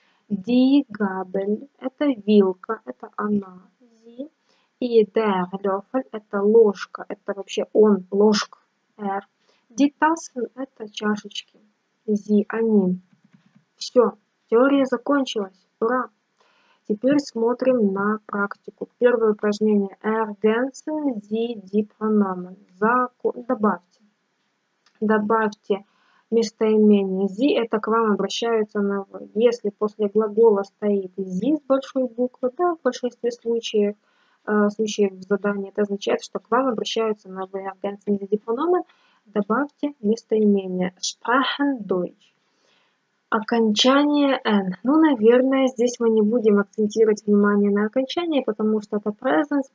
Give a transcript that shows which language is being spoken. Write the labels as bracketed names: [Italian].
[Russian] Die Gabel – это вилка, это она, sie. И der Löffel – это ложка, это вообще он, ложка, er. Die Tassen – это чашечки, sie, они. Все, теория закончилась, ура! Теперь смотрим на практику. Первое упражнение – [German] ergänzen Sie die Pronomen. [Russian] Добавьте. Добавьте. Местоимение «зи» – это к вам обращаются на «вы». Если после глагола стоит «зи» с большой буквы, да, в большинстве случаев, случаев в задании, это означает, что к вам обращаются на «вы». [German] Ergänzen Sie die Pronomen, [Russian] добавьте местоимение [German] «sprechen Deutsch». [Russian] Окончание «n». Ну, наверное, здесь мы не будем акцентировать внимание на окончании, потому что это «presence».